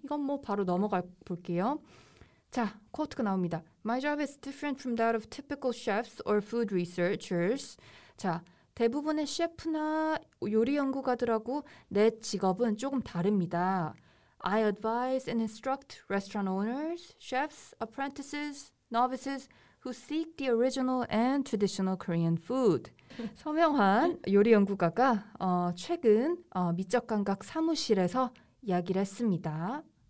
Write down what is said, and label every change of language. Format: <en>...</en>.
<ko>이건 뭐 바로 넘어가 볼게요. 자, 코트가 나옵니다.</ko> <en>My job is different from that of typical chefs or food researchers.</en> <ko>자, 대부분의 셰프나 요리 연구가들하고 내 직업은 조금 다릅니다.</ko> <en>I advise and instruct restaurant owners, chefs, apprentices, novices who seek the original and traditional Korean food.</en> <ko>서명한 요리 연구가가 최근 미적감각 사무실에서 이야기를 했습니다.</ko>